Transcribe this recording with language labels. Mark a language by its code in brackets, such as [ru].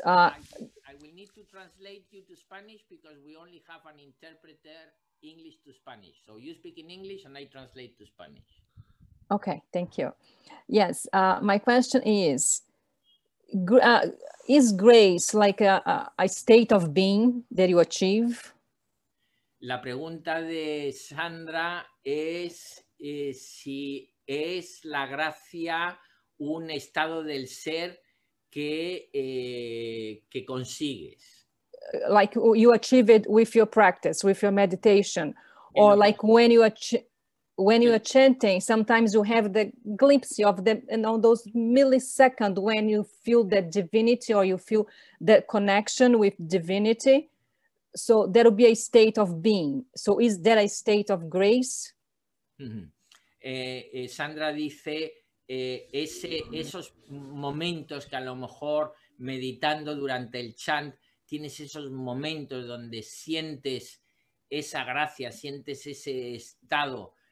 [en] because we only have an interpreter, English to Spanish. So you speak in English and I translate to Spanish. Okay, thank you. Yes, my question is grace like a state of being that you achieve? [es] La pregunta de Sandra es si es la gracia un estado del ser que consigues. [en] Like you achieve it with your practice, with your meditation, or like when you are chanting, sometimes you have the glimpse of them, and on those milliseconds when you feel that divinity or you feel that connection with divinity, so there will be a state of being. So is there a state of grace? Mm-hmm. [es] Sandra dice esos momentos que a lo mejor meditando durante el chant. Tienes esos momentos donde sientes esa gracia, sientes ese estado.